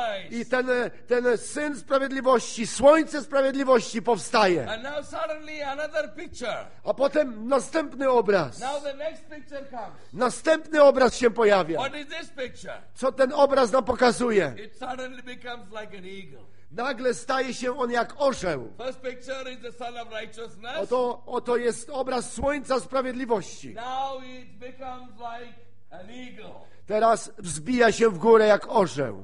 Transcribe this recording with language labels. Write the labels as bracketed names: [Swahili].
[Polish] I ten syn sprawiedliwości, słońce sprawiedliwości powstaje. [English] And now suddenly another picture. [Polish] A potem następny obraz. [English] Now the next picture comes. [Polish] Następny obraz się pojawia. [English] What is this picture? [Polish] Co ten obraz nam pokazuje? [English] It suddenly becomes like an eagle. [Polish] Nagle staje się on jak orzeł. [English] First picture is the son of righteousness. [Polish] Oto jest obraz słońca sprawiedliwości. [English] Now it becomes like an eagle. [Polish] Teraz wzbija się w górę jak orzeł.